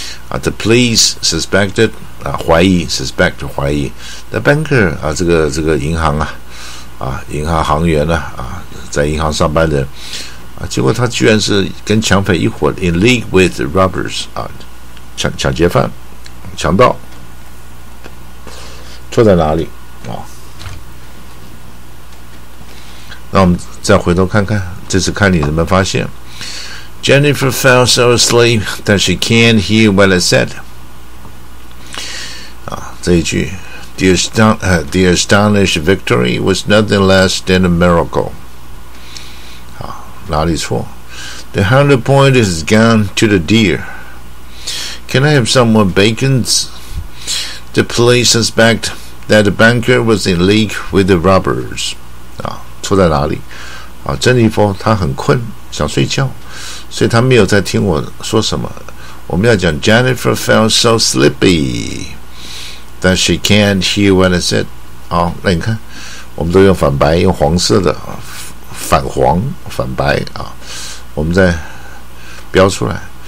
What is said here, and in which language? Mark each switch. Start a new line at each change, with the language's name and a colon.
English: The police suspected
Chinese: 啊，怀疑 suspect 怀疑 ，the banker 啊，这个银行啊，啊，银行行员呢 啊，在银行上班的啊，结果他居然是跟抢匪一伙 ，
English: in league with the robbers
Chinese: 啊，抢劫犯，强盗，错在哪里啊？那我们再回头看看，这次看你能不能发现。
English: Jennifer fell so asleep that she can't hear what I said.
Chinese: 啊，这一句
English: ，the astonished victory was nothing less than a miracle.
Chinese: 啊，哪里错
English: ？The hunter pointed his gun to the deer. Can I have some more bacons? The police suspect that the banker was in league with the robbers.
Chinese: 啊，错在哪里？啊，珍妮佛她很困，想睡觉。所以他没有在听我说什么。我们要讲
English: Jennifer fell so sleepy that she can't hear what I said、
Chinese: 哦、那你看我们都用反白，用黄色的反黄反白、哦、我们再标出来。